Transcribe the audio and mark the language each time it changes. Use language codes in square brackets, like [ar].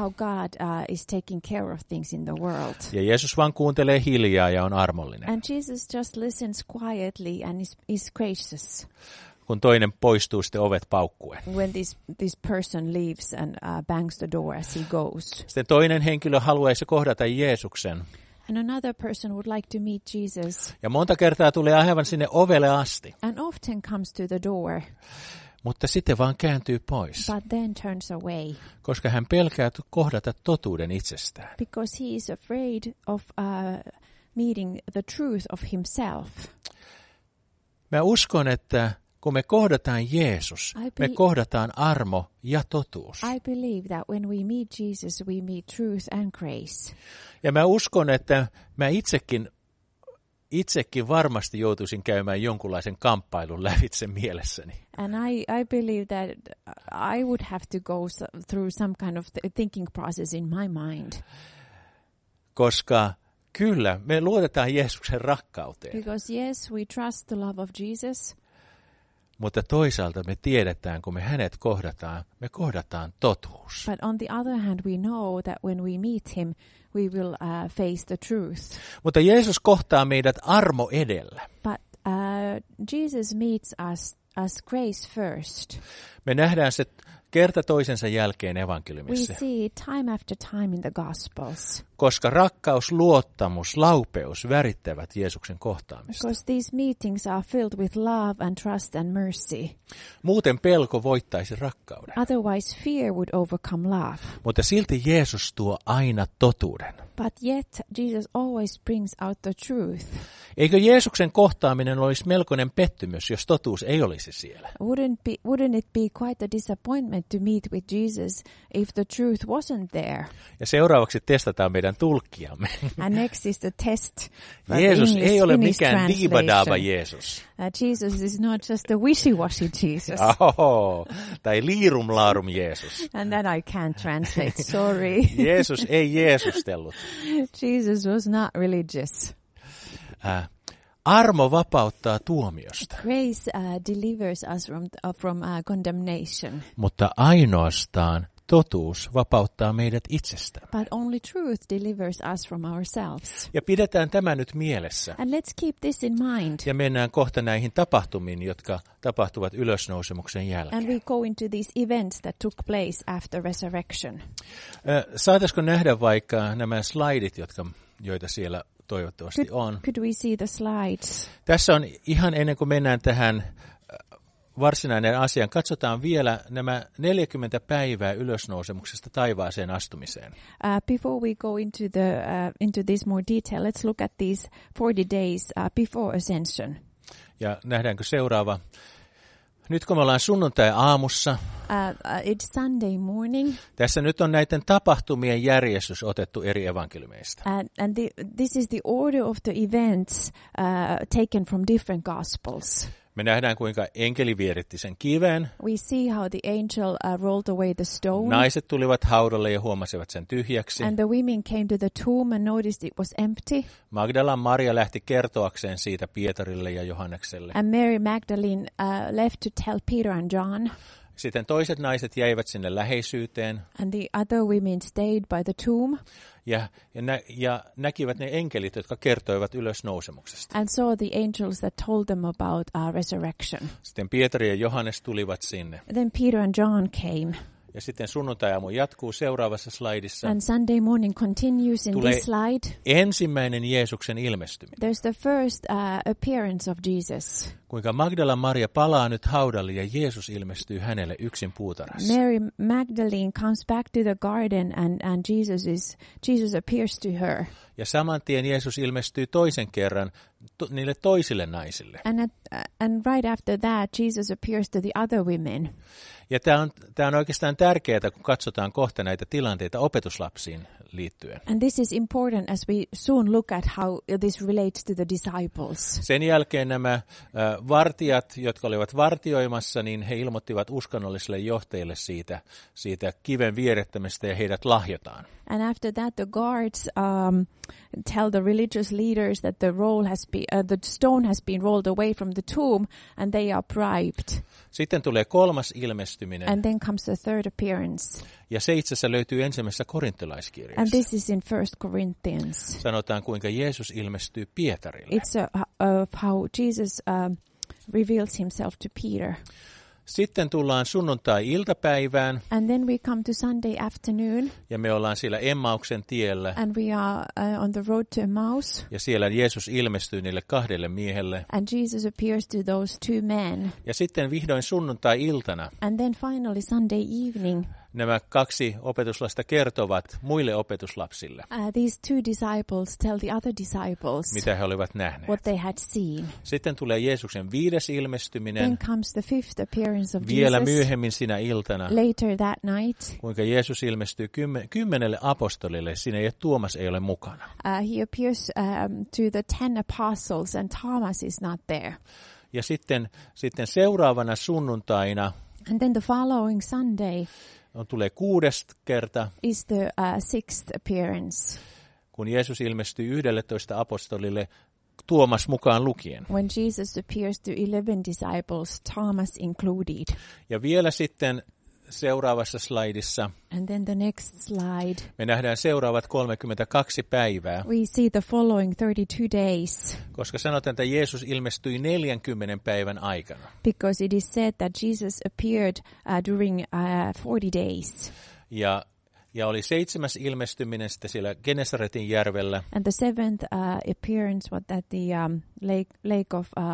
[en] How God is taking care of things in the world. [fi] Ja Jeesus vaan kuuntelee hiljaa ja on armollinen. [en] And Jesus just listens quietly and is gracious. [fi] Kun toinen poistuu sitten ovet paukkuen. [en] When this person leaves and bangs the door as he goes. [fi] Sitten toinen henkilö haluaisi kohdata Jeesuksen. [en] And another person would like to meet Jesus. [fi] Ja monta kertaa tulee aivan sinne ovelle asti. [en] And often comes to the door. [fi] Mutta sitten vaan kääntyy pois. [en] But then turns away. [fi] Koska hän pelkää kohdata totuuden itsestään. [en] Because he is afraid of meeting the truth of himself. [fi] Mä uskon, että kun me kohdataan Jeesus, me kohdataan armo ja totuus. [en] I believe that when we meet Jesus, we meet truth and grace. [fi] Ja mä uskon, että mä itsekin varmasti joutuisin käymään jonkunlaisen kamppailun lävitse mielessäni. [en] And I believe that I would have to go through some kind of thinking process in my mind. [fi] Koska kyllä, me luotetaan Jeesuksen rakkauteen. [en] Because yes, we trust the love of Jesus. [fi] Mutta toisaalta me tiedetään, kun me hänet kohdataan, me kohdataan totuus. [en] But on the other hand, we know that when we meet him, we will face the truth. [fi] Mutta Jeesus kohtaa meidät armo edellä. [en] But Jesus meets us as grace first. [fi] Me nähdään se kerta toisensa jälkeen evankeliumissa. [en] We see time after time in the Gospels. [fi] Koska rakkaus, luottamus, laupeus värittävät Jeesuksen kohtaamista. [en] Because these meetings are filled with love and trust and mercy. [fi] Muuten pelko voittaisi rakkauden. [en] Otherwise fear would overcome love. [fi] Mutta silti Jeesus tuo aina totuuden. [en] But yet Jesus always brings out the truth. [fi] Eikö Jeesuksen kohtaaminen olisi melkoinen pettymys, jos totuus ei olisi siellä? [en] Wouldn't it be quite a disappointment to meet with Jesus if the truth wasn't there? [fi] Ja seuraavaksi testataan meidän tulkkiamme. [en] And next is the test. [fi] Jeesus ei ole mikään diivadaava Jeesus. [en] Jesus is not just a wishy-washy Jesus. [fi] Oho, tai liirumlaarum Jeesus. [en] And that I can't translate, sorry. [fi] Jeesus ei jeesustellut. [en] Jesus was not religious. [fi] Armo vapauttaa tuomiosta. [en] Grace delivers us from condemnation. [fi] Mutta ainoastaan totuus vapauttaa meidät itsestä. [en] But only truth delivers us from ourselves. [fi] Ja pidetään tämä nyt mielessä. [en] And let's keep this in mind. [fi] Ja mennään kohta näihin tapahtumiin, jotka tapahtuvat ylösnousemuksen jälkeen. [en] And we go into these events that took place after resurrection. [fi] Saataisiko nähdä vaikka nämä slaidit, joita siellä toivottavasti on. [en] Could we see the slides? [fi] Tässä on ihan ennen kuin mennään tähän varsinainen asia. Katsotaan vielä nämä 40 päivää ylösnousemuksesta taivaaseen astumiseen. [en] Before we go into this more detail, let's look at these 40 days before ascension. [fi] Ja nähdäänkö seuraava. Nyt kun me ollaan sunnuntai-aamussa. [en] It's Sunday morning. [fi] Tässä nyt on näiden tapahtumien järjestys otettu eri evankeliumeista. [en] This is the order of the events taken from different gospels. [fi] Me nähdään, kuinka enkeli vieritti sen kiven. [en] We see how the angel rolled away the stone. [fi] Naiset tulivat haudalle ja huomasivat sen tyhjäksi. [en] And the women came to the tomb and noticed it was empty. [fi] Magdalan Maria lähti kertoakseen siitä Pietarille ja Johannekselle. [en] And Mary Magdalene left to tell Peter and John. [fi] Sitten toiset naiset jäivät sinne läheisyyteen. [en] And the other women stayed by the tomb. [fi] Ja näkivät ne enkelit, jotka kertoivat ylösnousemuksesta. [en] And saw the angels that told them about our resurrection. [fi] Sitten Pietari ja Johannes tulivat sinne. [en] Then Peter and John came. [fi] Ja sitten sunnuntai-aamu jatkuu seuraavassa slaidissa. [en] And Sunday morning continues in [fi] tulee [en] this slide. [fi] Ensimmäinen Jeesuksen ilmestyminen. [en] There's the first appearance of Jesus. [fi] Kuinka Magdala Maria palaa nyt haudalle ja Jeesus ilmestyy hänelle yksin puutarhassa. [en] Mary Magdalene comes back to the garden and Jesus appears to her. [fi] Ja saman tien Jeesus ilmestyy toisen kerran niille toisille naisille. [en] And right after that Jesus appears to the other women. [fi] Ja tämä on oikeastaan tärkeää, kun katsotaan kohta näitä tilanteita opetuslapsiin liittyen. [en] And this is important as we soon look at how this relates to the disciples. [fi] Sen jälkeen nämä vartijat, jotka olivat vartioimassa, niin he ilmoittivat uskonnollisille johtajille siitä kiven vierettämistä ja heidät lahjotaan. [en] And after that the guards tell the religious leaders that the stone has been rolled away from the tomb and they are bribed. [fi] Sitten tulee kolmas ilmestyminen. [en] And then comes the third appearance. [fi] Ja se itse asiassa löytyy ensimmäisessä korinttilaiskirjassa. [en] And this is in 1 Corinthians. [fi] Sanotaan, kuinka Jeesus ilmestyy Pietarille. [en] It's how Jesus reveals himself to Peter. [fi] Sitten tullaan sunnuntai-iltapäivään. [en] And then we come to Sunday afternoon. [fi] Ja me ollaan siellä Emmauksen tiellä. [en] And we are on the road to Emmaus. [fi] Ja siellä Jeesus ilmestyy niille kahdelle miehelle. [en] And Jesus appears to those two men. [fi] Ja sitten vihdoin sunnuntai-iltana. [en] And then finally Sunday evening. [fi] Nämä kaksi opetuslasta kertovat muille opetuslapsille. [en] These two disciples tell the other disciples. [fi] Mitä he olivat nähneet? [en] What they had seen. [fi] Sitten tulee Jeesuksen viides ilmestyminen. [en] Then comes the fifth appearance of [fi] vielä [en] Jesus. [fi] Vielä myöhemmin sinä iltana. [en] Later that night. [fi] Kuinka Jeesus ilmestyy 10 apostolille, siinä ei ole Tuomas ei ole mukana. [en] He appears to the 10 apostles and Thomas is not there. [fi] Ja sitten seuraavana sunnuntaina. [en] And then the following Sunday. [fi] On tulee kuudes kerta. [en] Is the sixth appearance. [fi] Kun Jeesus ilmestyy 11 apostolille, Tuomas mukaan lukien. [en] When Jesus appears to 11 disciples, Thomas included. [fi] Ja vielä sitten seuraavassa slaidissa. [en] And then the next slide. [fi] Me nähdään seuraavat 32 päivää. [en] We see the following 32 days. [fi] Koska sanotaan, että Jeesus ilmestyi 40 päivän aikana. [en] Because it is said that Jesus appeared during 40 days. [fi] Ja oli seitsemäs ilmestyminen sitten siellä Genesaretin järvellä. [en] And the seventh appearance was at the lake of